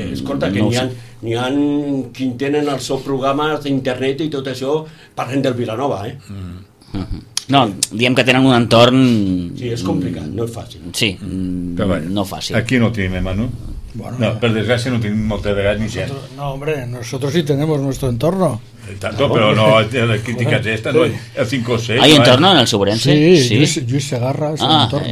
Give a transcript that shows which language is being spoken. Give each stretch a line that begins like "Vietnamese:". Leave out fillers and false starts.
Catalan: Escolta, que n'hi ha qui tenen els seus programes d'internet i tot això, parlen del Villanova, eh? No, diem que tenen un entorn... Sí, és complicat, no és fàcil. Sí, no fàcil. Aquí no tenim, Manu. Bueno, no, per desgràcia no tenim molta edat ni gent.
Spanish: No, hombre, nosotros sí tenemos nuestro entorno.
Catalan: Tanto, però no, la crítica és esta, no, el 5 o 6.
Spanish: Ah, entorno, en el Sobrense? Sí, sí.
Catalan: Lluís Segarra és entorno.